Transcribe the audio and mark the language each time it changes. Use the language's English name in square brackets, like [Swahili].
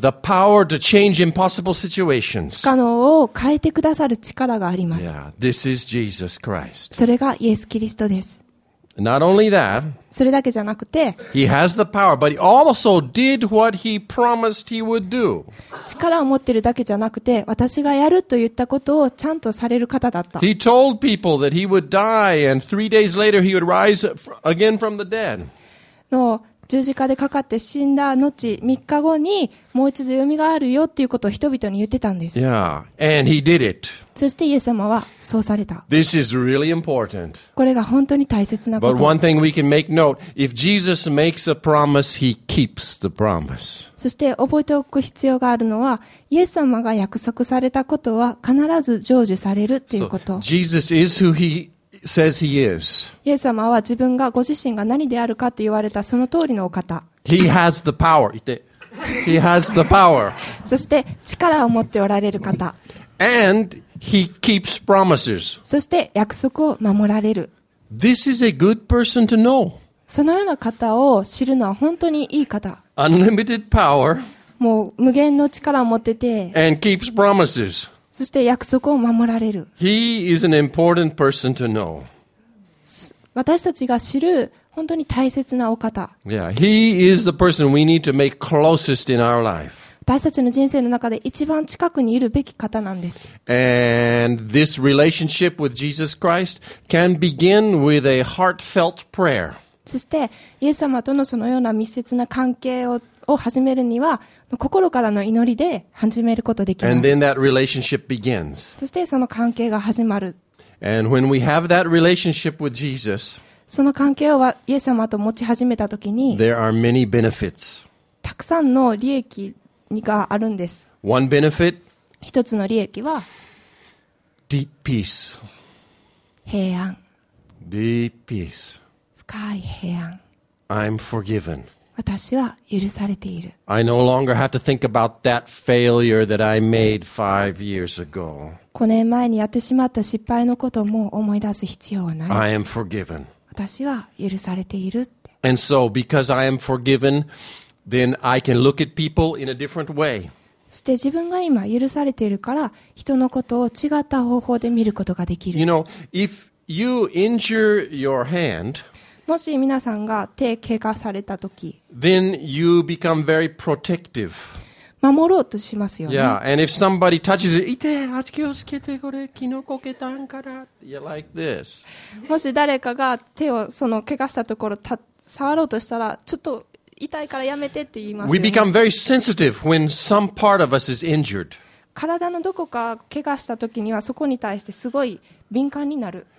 [English] Yeah, the power to change impossible situations. [Japanese] 不可能を変えてくださる力があります。 [English] Yeah, this is Jesus Christ. [Japanese] それがイエス・キリストです。 [English] Not only that, [Japanese] それだけじゃなくて、 [English] he has the power, but he also did what he promised he would do. [Japanese] 力を持ってるだけじゃなくて、私がやると言ったことをちゃんとされる方だった。 [English] He told people that he would die, and three days later he would rise again from the dead. [Japanese] の十字架でかかって死んだ後、3日後にもう一度蘇るよっていうことを人々に言ってたんです。 [English] Yeah, and he did it. [Japanese] そしてイエス様はそうされた。 [English] This is really important. [Japanese] これが本当に大切なこと。 [English] But one thing we can make note, if Jesus makes a promise, he keeps the promise. [Japanese] そして覚えておく必要があるのは、イエス様が約束されたことは必ず成就されるっていうこと。 [English] So, Jesus is who he says he is. [Japanese] イエス様は自分がご自身が何であるかって言われたその通りのお方。 [English] He has the power. He has the power. [Japanese] そして力を持っておられる方。 [English] And he keeps promises. [Japanese] そして約束を守られる。 [English] This is a good person to know. [Japanese] そのような方を知るのは本当にいい方。 [English] Unlimited power. [Japanese] もう無限の力を持ってて。 [English] And keeps promises. [Japanese] そして約束を守られる。 [English] He is an important person to know. [Japanese] 私たちが知る本当に大切なお方。 [English] Yeah, he is the person we need to make closest in our life. [Japanese] 私たちの人生の中で一番近くにいるべき方なんです。 [English] And this relationship with Jesus Christ can begin with a heartfelt prayer. [Japanese] そしてイエス様とのそのような密接な関係を始めるには心からの祈りで始めることができます。 [English] And then that relationship begins. [Japanese] そしてその関係が始まる。 [English] And when we have that relationship with Jesus, [Japanese] その関係をイエス様と持ち始めたときに [English] there are many benefits. [Japanese] たくさんの利益があるんです。 [English] One benefit, [Japanese] 一つの利益は [English] deep peace. [Japanese] 平安。 [English] Deep peace. [Japanese] 深い平安。 [English] I'm forgiven. [Japanese] 私は許されている。 [English] I no longer have to think about that failure that I made 5 years ago. [Japanese] 5年前にやってしまった失敗のことも思い出す必要はない。 [English] I am forgiven. [Japanese] 私は許されている。 [English] And so, because I am forgiven, then I can look at people in a different way. [Japanese] そして自分が今許されているから、人のことを違った方法で見ることができる。 [English] You know, if you injure your hand, [Japanese] もし皆さんが手を怪我されたとき、 [English] then you become very protective. [Japanese] 守ろうとしますよね。 [English] Yeah, and if somebody touches it, [Japanese] 痛い、気をつけてこれ、キノコけたんから、 [English] you're like this. [Japanese] もし誰かが手をその怪我したところた触ろうとしたら、ちょっと痛いからやめてって言いますよね。 [English] We become very sensitive when some part of us is injured. [Japanese] 体のどこか怪我したときにはそこに対してすごい敏感になる。